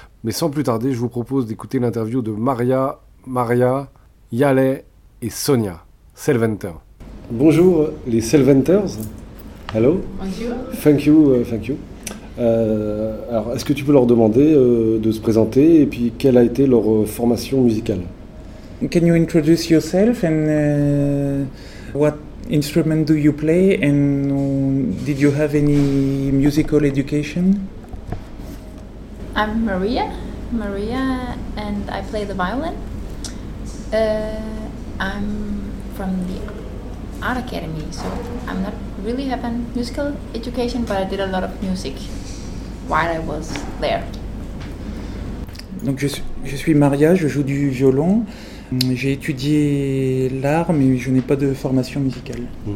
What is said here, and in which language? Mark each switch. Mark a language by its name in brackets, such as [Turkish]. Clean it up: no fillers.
[French] Mais sans plus tarder, je vous propose d'écouter l'interview de Maria, Yale et Sonia, Selventer. Bonjour les Selventers. Hello. Bonjour. [English] Thank you. [French] Alors, est-ce que tu peux leur demander de se présenter et puis quelle a été leur formation musicale? [English] Can you introduce yourself and what instrument do you play and did you have any musical education? I'm Maria, and I play the violin. I'm from the art academy, so I'm not really have a musical education, but I did a lot of music while I was there. [French] Donc je suis Maria, je joue du violon. J'ai étudié l'art, mais je n'ai pas de formation musicale.